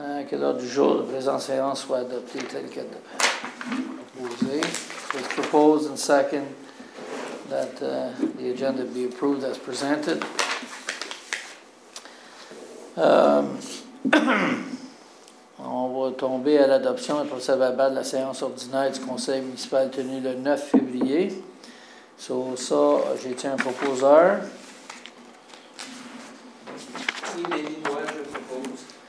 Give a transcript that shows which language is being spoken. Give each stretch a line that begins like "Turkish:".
French: Que l'ordre du jour de présente séance soit adopté tel que proposé.
English: It's proposed and second that the agenda be approved as presented.
French: on va tomber à l'adoption du procès verbal de la séance ordinaire du conseil municipal tenu le 9 février. Sur ça, j'ai été un proposeur. Oui, Denis, moi, je propose.